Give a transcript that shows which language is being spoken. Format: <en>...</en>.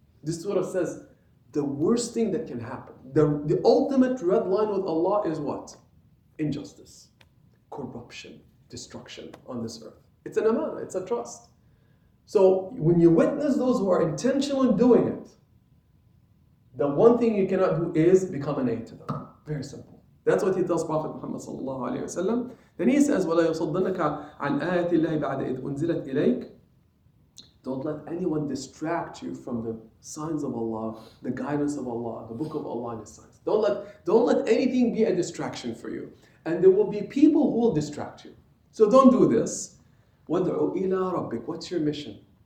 <en>This surah says, the worst thing that can happen, the ultimate red line with Allah is what? Injustice, corruption, destruction on this earth. It's an amanah, it's a trust. So when you witness those who are intentionally doing it, the one thing you cannot do is become an aid to them. Very simple. That's what he tells Prophet Muhammad sallallahu alaihi wasallam. Then he says,</en> <ar>وَلَا يُصَدَّنَكَ عَنْ آيَةِ اللَّهِ بَعْدَ إِذْ أُنزِلَتْ إِلَيْكَ.</ar> <en>Don't let anyone distract you from the signs of Allah, the guidance of Allah, the book of Allah and His signs. Don't let anything be a distraction for you. And there will be people who will distract you. So don't do this.</en> <ar>وَدْعُوا إِلَىٰ رَبِّكَ.</ar> <en>What's your mission?</en>